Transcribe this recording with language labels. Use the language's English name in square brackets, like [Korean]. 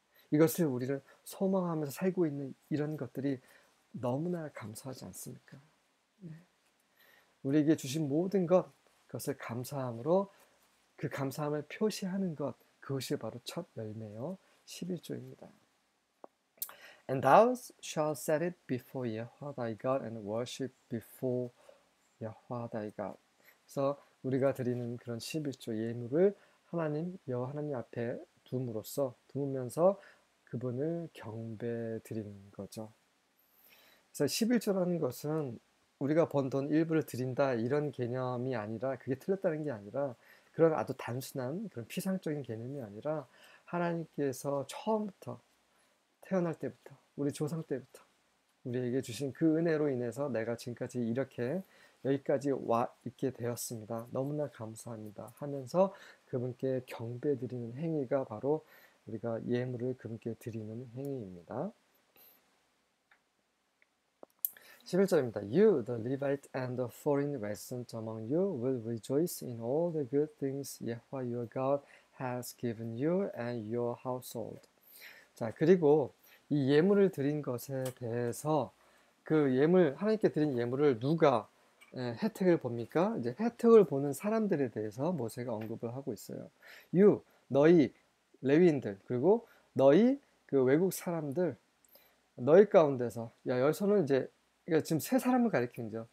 [Korean] 이것을 우리는 소망하면서 살고 있는 이런 것들이 너무나 감사하지 않습니까? 우리에게 주신 모든 것, 그것을 감사함으로 그 감사함을 표시하는 것, 그것이 바로 첫 열매요. 11조입니다. [English] And thou shalt set it before Yahweh thy God and worship before Yahweh thy God. [Korean] 그래서 우리가 드리는 그런 11조 예물을 하나님, 여호와 하나님 앞에 두면서 그분을 경배 드리는 거죠. 그래서 11조라는 것은 우리가 번돈 일부를 드린다 이런 개념이 아니라 그게 틀렸다는 게 아니라 그런 아주 단순한 그런 피상적인 개념이 아니라 하나님께서 처음부터 태어날 때부터 우리 조상 때부터 우리에게 주신 그 은혜로 인해서 내가 지금까지 이렇게 여기까지 와 있게 되었습니다. 너무나 감사합니다. 하면서 그분께 경배 드리는 행위가 바로 우리가 예물을 그분께 드리는 행위입니다. 11절입니다. [English] You, the Levite, and the foreign resident among you will rejoice in all the good things Yahweh your God has given you and your household. [Korean] 자, 그리고 이 예물을 드린 것에 대해서 그 예물, 하나님께 드린 예물을 누가 혜택을 봅니까? 이제 혜택을 보는 사람들에 대해서 모세가 언급을 하고 있어요. You, 너희 레위인들, 그리고 너희 그 외국 사람들, 너희 가운데서, 야, 여기서는 이제 그러니까 지금 세 사람을 가리키는 거죠.